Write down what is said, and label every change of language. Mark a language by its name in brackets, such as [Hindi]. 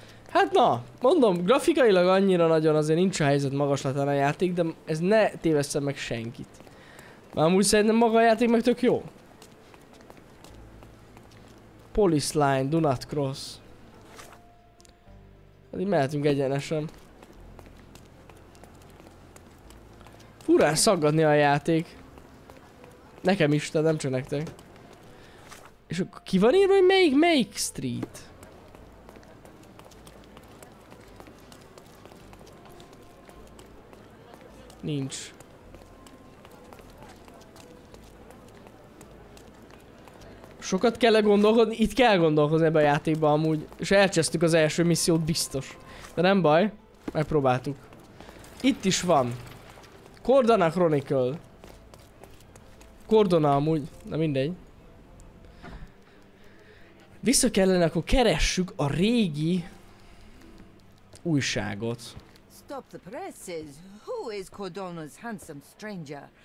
[Hungarian] Hát na, mondom, grafikailag annyira nagyon azért nincs a helyzet magaslatán a játék, de ez ne tévesszen meg senkit. Már amúgy szerintem maga a játék meg tök jó. [English] Police line, do not cross. [Hungarian] Hát így mehetünk egyenesen. Furán szaggatni a játék. Nekem is, tehát nem csak nektek. És akkor ki van írva, hogy melyik street? Nincs. Sokat kell gondolkodni, itt kell gondolkozni ebben a játékban amúgy. És elcsesztük az első missziót, biztos. De nem baj, megpróbáltuk. Itt is van. Cordona Chronicle. Cordona amúgy, na mindegy. Vissza kellene, akkor keressük a régi újságot. [English] Stop the presses. Who is Cordona's handsome stranger?